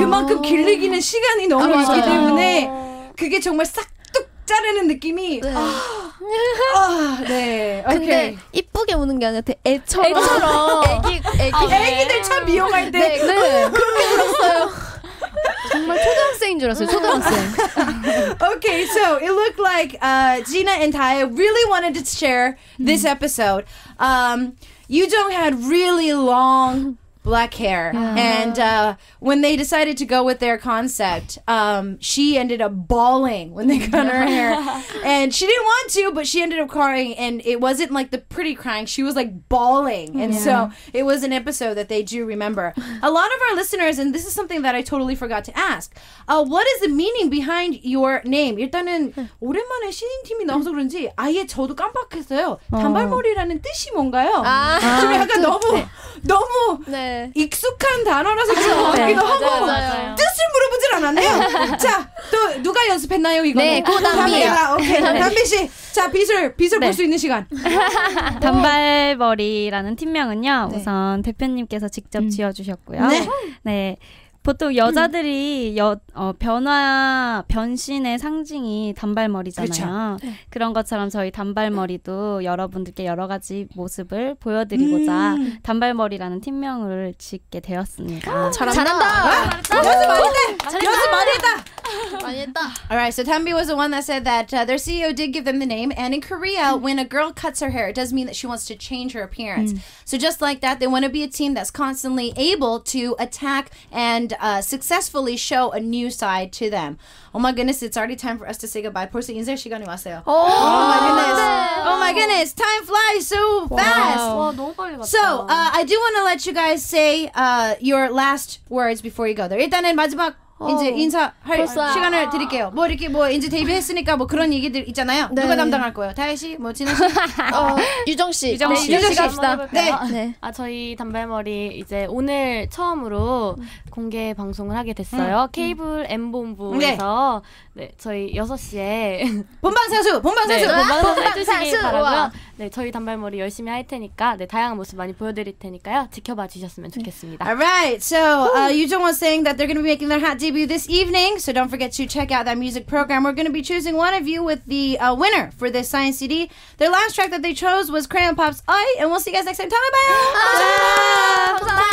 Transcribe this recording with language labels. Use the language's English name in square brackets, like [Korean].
[Korean] 그만큼 길르기는 시간이 너무 있기 맞아요. 때문에 그게 정말 싹 자르는 느낌이 네. 네. 근데 이쁘게 우는 게 아니라 애처럼 애기들 참 미용할 때 네, 네. 그렇게 울었어요. 정말 초등학생인 줄 알았어요. 초등학생. [English] Okay, so it looked like Gina and Taya really wanted to share this episode. Yujong had really long black hair. Yeah. And when they decided to go with their concept, she ended up bawling when they cut her hair. And she didn't want to, but she ended up crying. And it wasn't like the pretty crying. She was like bawling. And yeah. so it was an episode that they do remember. A lot of our listeners, and this is something that I totally forgot to ask, what is the meaning behind your name? [Korean] 일단은 오랜만에 신인팀이 나와서 그런지 아예 저도 깜빡했어요. 단발머리라는 뜻이 뭔가요? 좀 약간 너무 네. 익숙한 단어라서 그런 것 같기도 하고 맞아요. 뜻을 물어보질 않았네요. 자, 또 누가 연습했나요 이거는? 네, 고담비요. 오케이, 담비씨. 자, 빛을 네. 볼 수 있는 시간. 단발머리라는 팀명은요. 네. 우선 대표님께서 직접 지어주셨고요. 네. 네. 보통 여자들이 변신의 상징이 단발머리잖아요. 그렇죠. 그런 것처럼 저희 단발머리도 여러분들께 여러 가지 모습을 보여드리고자 단발머리라는 팀명을 짓게 되었습니다. 잘한다. 연습 많이 했다. 많이 했다. [English] All right, so Tambi was the one that said that their CEO did give them the name. And in Korea, when a girl cuts her hair, it doesn't mean that she wants to change her appearance. So just like that, they want to be a team that's constantly able to attack and successfully show a new side to them. Oh my goodness, it's already time for us to say goodbye. [Korean] 벌써 인사 시간이 왔어요. [English] Oh my goodness, time flies so fast. Wow. [Korean] 와, 너무 빨리 갔다. [English] So I do want to let you guys say your last words before you go there. [Korean] 일단은 마지막 이제 인사할 시간을 드릴게요. 뭐 이렇게 뭐 이제 데뷔했으니까 뭐 그런 얘기들 있잖아요. 네. 누가 담당할 거예요? 다혜 씨, 뭐 진아 씨, 유정 씨, 유정 씨 합시다. 네. 네. 아 저희 단발머리 이제 오늘 처음으로 공개 방송을 하게 됐어요. 케이블 M본부에서 네. 네 저희 6시에 본방사수 네, 해주시기 바라고요. 네 저희 단발머리 열심히 할 테니까 네 다양한 모습 많이 보여드릴 테니까요. 지켜봐 주셨으면 좋겠습니다. [English] Alright, so Yujong was saying that they're going to be making their hat debut this evening, so don't forget to check out that music program. We're going to be choosing one of you with the winner for this signed CD. Their last track that they chose was Crayon Pop's Oi, and we'll see you guys next time. Bye-bye!